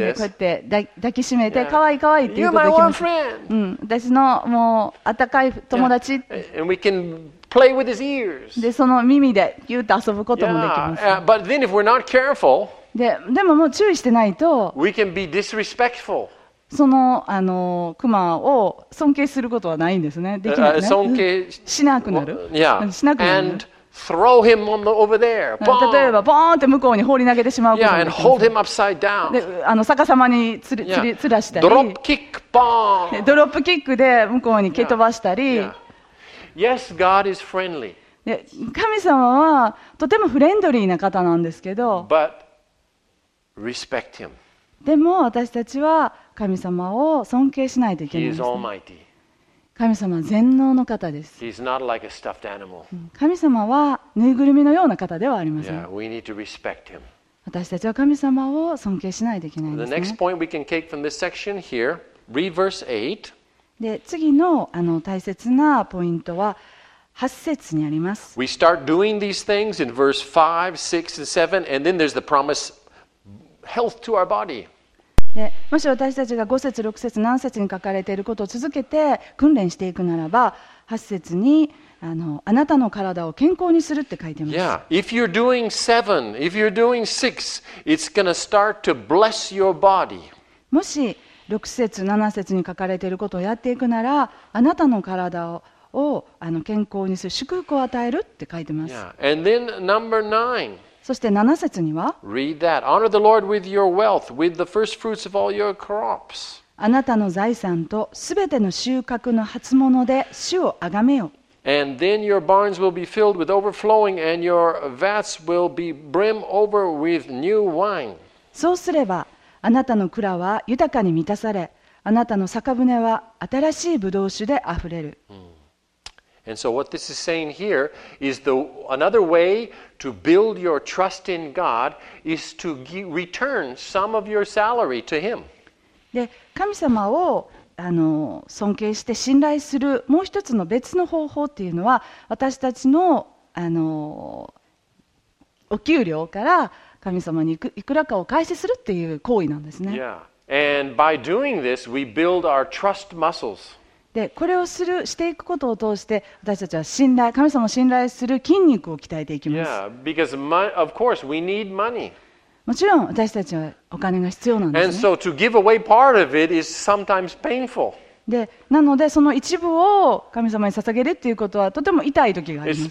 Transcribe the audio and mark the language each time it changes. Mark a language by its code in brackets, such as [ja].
[ja] でこうやって抱きしめて、yeah. かわいいかわいいって言うことができます。 [en] You're my warm friend.、 [ja] うん、私のもう温かい友達、yeah. [en] And we can play with his ears. [ja] でその耳でギュッと遊ぶこともできます。 [en] yeah. Yeah. But then if we're not careful, [ja] でももう注意してないと [en] we can be disrespectful. [ja] その、熊を尊敬することはないんですね。できなくね、尊敬しなくなる、 [en] well, yeah. [ja] しなくなる。 [en] AndThrow him on the over there. [ja] 例えばボーンって向こうに放り投げてしまうことができます。 [en] Yeah, and hold him upside down. [ja] であの逆さまにつらしたり、ドロップキックボーン、ドロップキックで向こうに蹴飛ばしたり。 [en] Yes, God is friendly. [ja] 神様はとてもフレンドリーな方なんですけど、 [en] But respect him. [ja] でも私たちは神様を尊敬しないといけないんですね。 [en] He is almighty. [ja] 神様は全能の方です。 [en] He's not like a stuffed animal. [ja] 神様はぬいぐるみのような方ではありません。 [en] Yeah, we need to respect him. [ja] 私たちは神様を尊敬しないといけないんですね。 [en] The next point we can take from this section here, read verse 8. [ja] で、次の、あの大切なポイントは8節にあります。 [en] We start doing these things in verse 5, 6, and 7, and then there's the promise health to our body. [ja] でもし私たちが5節6節何節に書かれていることを続けて訓練していくならば、8節に あなたの体を健康にするって書いてます。 [en] Yeah, if you're doing 7, if you're doing 6, it's going to start to bless your body. [ja] もし6節7節に書かれていることをやっていくなら、あなたの体を健康にする、祝福を与えるって書いてます。 [en] Yeah, and then number 9. [ja] そして7節には、 [en] Read that. Honor the Lord with your wealth, with the first fruits of all your crops. [ja] あなたの財産とすべての収穫の初物で主をあがめよ。 [en] And then your barns will be filled with overflowing, and your vats will be brim over with new wine. [ja] そうすればあなたの蔵は豊かに満たされ、あなたの酒舟は新しいブドウ酒であふれる。 [en] And so what this is saying here is the another way to build your trust in God is to return some of your salary to Him. [ja] で、神様を尊敬して信頼するもう一つの別の方法っていうのは、私たちのお給料から神様にいくらかを返しするっていう行為なんですね。 [en] Yeah. And by doing this, we build our trust muscles. [ja] で、これをしていくことを通して、私たちは信頼、神様を信頼する筋肉を鍛えていきます。 [en] Yeah. Because of course we need money. [ja] もちろん私たちはお金が必要なんですね。 [en] And so to give away part of it is sometimes painful. [ja] で、なのでその一部を神様に捧げるっていうことはとても痛い時があります。